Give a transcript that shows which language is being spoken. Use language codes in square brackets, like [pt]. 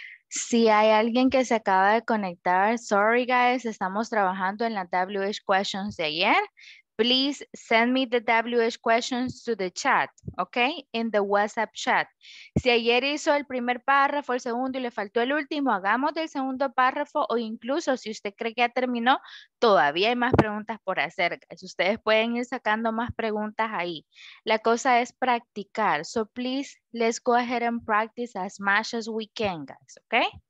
[es] Si hay alguien que se acaba de conectar, [en] sorry guys, [es] estamos trabajando en la WH questions de ayer. [en] Please send me the WH questions to the chat, okay? In the WhatsApp chat. [es] Si ayer hizo el primer párrafo, el segundo y le faltó el último, hagamos del segundo párrafo o incluso si usted cree que ya terminó, todavía hay más preguntas por hacer. Ustedes pueden ir sacando más preguntas ahí. La cosa es practicar. [en] So please, let's go ahead and practice as much as we can, guys, okay?